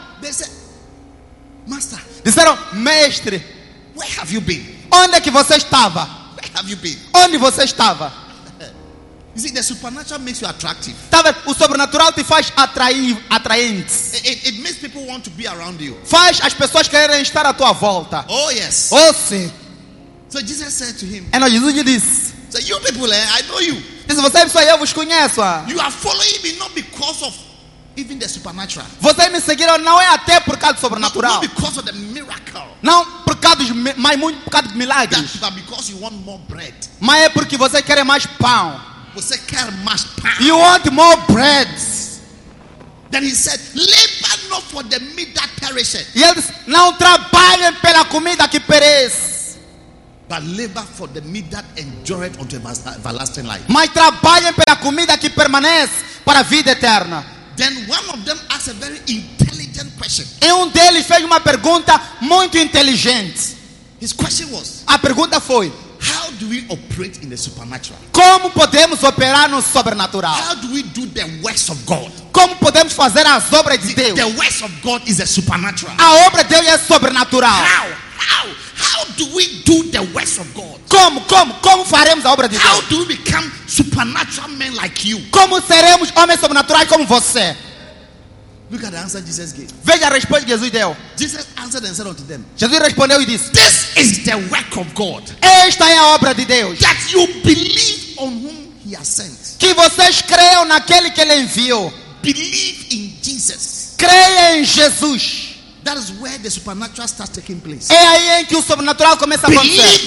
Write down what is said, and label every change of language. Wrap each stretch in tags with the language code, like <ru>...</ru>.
<en>They said, Master.</en> <pt>Disseram, Mestre.</pt> <en>Where have you been?</en> <pt>Onde é que você estava?</pt> <en>Where have you been?</en> <pt>Onde você estava?</pt> <en>You see, the supernatural makes you attractive.</en> <pt>Tá vendo? O sobrenatural te faz atraente.</pt> <en>It makes people want to be around you.</en> <pt>Faz as pessoas quererem estar à tua volta.</pt> <en>Oh yes.</en> <pt>Oh sim.</pt> <en>So Jesus said to him.</en> <pt>E não, Jesus disse.</pt> <en>So you people, I know you.</en> <pt>Diz, você é pessoa, eu vos conheço. Ah.</pt> <en>You are following me not because of even the supernatural.</en> <pt>Você me seguiram não é até por causa do sobrenatural.</pt> <en>Not because of the miracle.</en> <pt>Não por causa dos, mas muito por causa de milagres.</pt> <en>That's because you want more bread.</en> <pt>Mas é porque você quer mais pão. Você quer mais pão.</pt> <en>You want more bread. Then he said, labor not for the meat that perishes.</en> <pt>E ele disse, não trabalhem pela comida que perece.</pt> <en>But labor for the meat that endures unto everlasting life.</en> <pt>Mas trabalhem pela comida que permanece para a vida eterna.</pt> <en>Then one of them asked a very intelligent question.</en> <pt>E deles fez uma pergunta muito inteligente.</pt> <en>His question was.</en> <pt>A pergunta foi.</pt> <en>How do we operate in the supernatural?</en> <pt>Como podemos operar no sobrenatural?</pt> <en>How do we do the works of God?</en> <pt>Como podemos fazer as obras de Deus?</pt> <en>The works of God is a supernatural.</en> <pt>A obra de Deus é sobrenatural.</pt> <en>How do we do the works of God?</en> <pt>Como faremos a obra de Deus?</pt> <en>How do we become supernatural men like you?</en> <pt>Como seremos homens sobrenaturais como você?</pt> <en>Look at the answer Jesus gave.</en> <pt>Veja a resposta que Jesus deu.</pt> <en>Jesus answered and said unto them.</en> <pt>Jesus respondeu e disse.</pt> <en>This is the work of God.</en> <pt>Esta é a obra de Deus.</pt> <en>That you believe on whom he has sent.</en> <pt>Que vocês creiam naquele que ele enviou.</pt> <en>Believe in Jesus.</en> <pt>Creia em Jesus.</pt> <en>That is where the supernatural starts taking place.</en> <pt>É aí em que o sobrenatural começa a acontecer.</pt>